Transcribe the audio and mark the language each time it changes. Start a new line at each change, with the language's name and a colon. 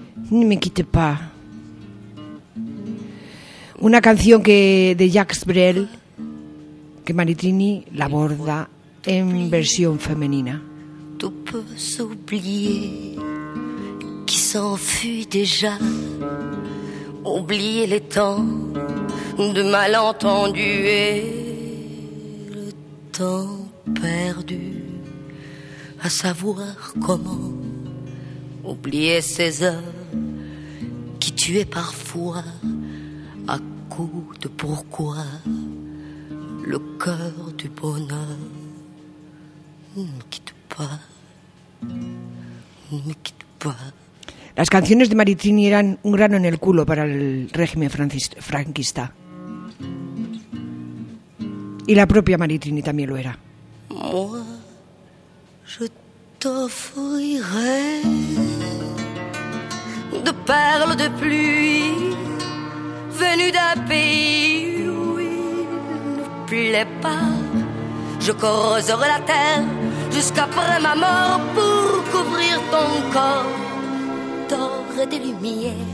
Spanish: Ni me quite pa. Una canción que de Jacques Brel, que Maritrini la aborda en versión femenina.
French: Tu peux oublier. Qui s'enfuit déjà, oublier les temps de malentendus et le temps perdu à savoir comment oublier ces heures qui tuaient parfois à coup de pourquoi le cœur du bonheur ne quitte pas, ne quitte pas.
Spanish: Las canciones de Maritrini eran un grano en el culo para el régimen franquista. Y la propia Maritrini también lo era.
French: Moi, je t'offrirai de perles de pluie venues d'un pays où il ne plaît pas. Je creuserai la terre jusqu'après ma mort pour couvrir ton corps d'or et de lumière.